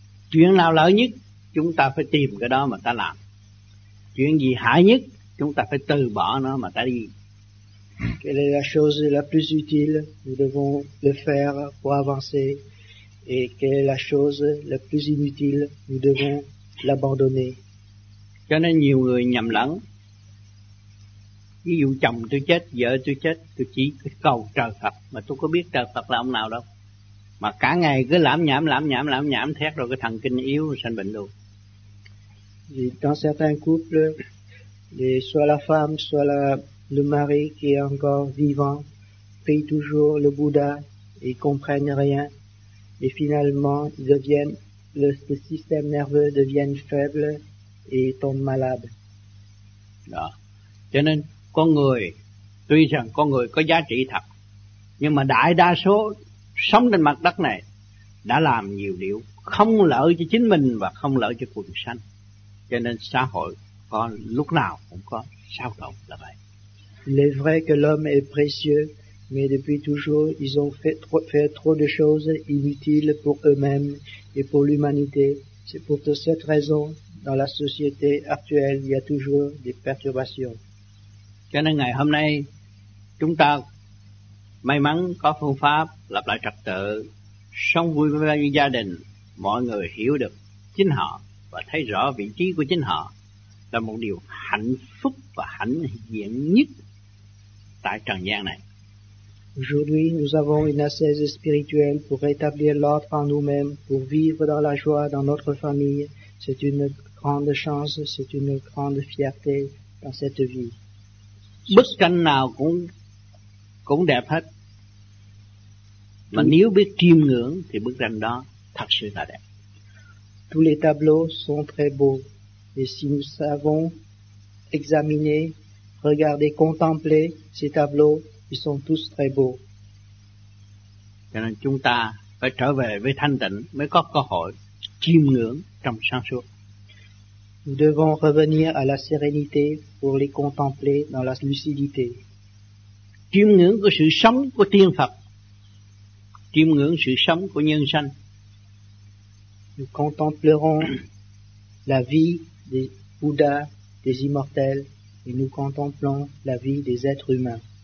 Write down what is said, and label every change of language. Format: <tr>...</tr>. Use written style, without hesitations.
<vi>Chuyện nào lợi nhất, chúng ta phải tìm cái đó mà ta làm. Chuyện gì hại nhất, chúng ta phải từ bỏ nó mà ta đi.</vi> <fr>Quelle est la chose la plus utile, nous devons le faire pour avancer. Et quelle est la chose la plus inutile, nous devons l'abandonner.</fr> <vi>Cho nên nhiều người nhầm lẫn. Ví dụ chồng tôi chết, vợ tôi chết, tôi chỉ cầu trời Phật, mà tôi có biết trời Phật là ông nào đâu. Mà cả ngày cứ lãm nhảm, thét rồi cái thần kinh yếu, sanh bệnh luôn.</vi> <fr>Dans certains couples, soit la femme, soit le mari qui est encore vivant, prie toujours le Bouddha et comprennent rien. Et finalement, le système nerveux devient faible et tombe malade.</fr> <vi>Đó. Cho nên, con người, tuy rằng con người có giá trị thật, nhưng mà đại đa số sống trên mặt đất này đã làm nhiều điều không lợi cho chính mình và không lợi cho quần sanh. Cho nên xã hội có lúc nào cũng có sao động là vậy.</vi> <fr>Il est vrai que l'homme est précieux. Mais depuis toujours, ils ont fait trop de choses inutiles pour eux-mêmes et pour l'humanité. C'est pour cette raison dans la société actuelle, il y a toujours des perturbations.</fr> <vi>Cho nên ngày hôm nay chúng ta may mắn có phương pháp lập lại trật tự, sống vui với gia đình, mọi người hiểu được chính họ và thấy rõ vị trí của chính họ là một điều hạnh phúc và hạnh diện nhất tại trần gian này.</vi> <fr>Aujourd'hui, nous avons une assise spirituelle pour rétablir l'ordre en nous-mêmes, pour vivre dans la joie dans notre famille. C'est une grande chance, c'est une grande fierté dans cette vie.</fr> <vi>Bức tranh nào cũng đẹp hết. Mà nếu biết chiêm ngưỡng thì bức tranh đó thật sự là đẹp.</vi> <fr>Tous les tableaux sont très beaux. Et si nous savons examiner, regarder, contempler ces tableaux, ils sont tous très beaux.</fr> <vi>Cho nên chúng ta phải trở về với thanh tịnh mới có cơ hội chiêm ngưỡng trong sáng suốt.</vi> <fr>Nous devons revenir à la sérénité pour les contempler dans la lucidité.</fr> <vi>Chiêm ngưỡng của sự sống của tiên Phật, chiêm ngưỡng sự sống của nhân sanh.</vi> <fr>Nous contemplerons la vie des Bouddhas, des immortels, et nous contemplons la vie des êtres humains.</fr>